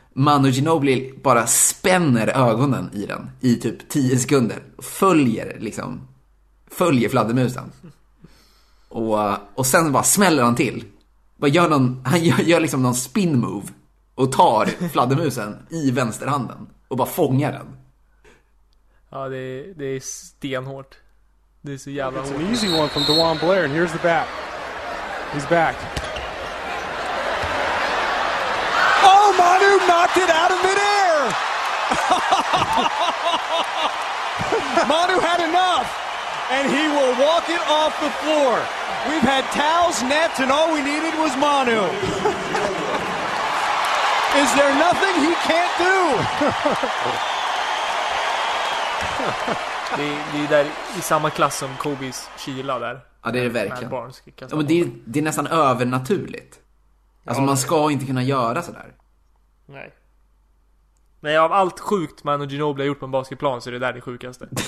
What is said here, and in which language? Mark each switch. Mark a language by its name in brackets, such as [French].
[Swedish] Manu Ginobili bara spänner ögonen i den i typ 10 sekunder, följer fladdermusen. Och sen bara smäller han till. Han gör liksom någon spin move och tar fladdermusen i vänsterhanden och bara fångar den. Ja, det är stenhårt. Det är så jävla hårt. [English] It's an easy one from DeJuan Blair and here's the bat. He's back. Oh, Manu knocked it out of midair. Manu had enough and he will walk it off the floor. We've had towels, nets, and all we needed was Manu. Is there nothing he can't do? [Swedish] Det är där i samma klass som Kobes kyla där. Ja, det är det verkligen. När barn ska kasta, ja, men det är nästan övernaturligt. Alltså, ja, man ska inte kunna göra så där. Nej. Nej, av allt sjukt Manu Ginobili har gjort på en basketplan så är det där det sjukaste.